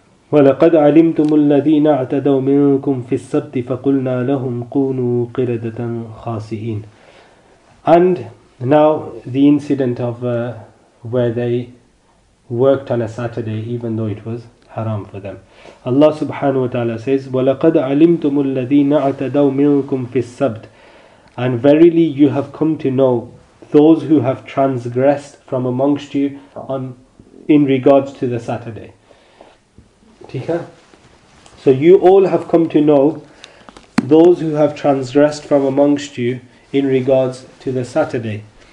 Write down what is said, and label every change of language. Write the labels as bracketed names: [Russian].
[Arabic] وَلَقَدْ عَلِمْتُمُ الَّذِينَ اَعْتَدَوْ مِنْكُمْ فِي السَّبْتِ فَقُلْنَا لَهُمْ قُونُوا قِرَدَةً خَاسِئِينَ. [English] And now the incident of where they worked on a Saturday, even though it was haram for them. Allah subhanahu wa ta'ala says, [Arabic] وَلَقَدْ عَلِمْتُمُ الَّذِينَ اَعْتَدَوْ مِنْكُمْ فِي السَّبْتِ. [English] And verily you have come to know those who have transgressed from amongst you in regards to the Saturday. [Urdu] Tika? [English] So you all have come to know those who have transgressed from amongst you in regards to the Saturday.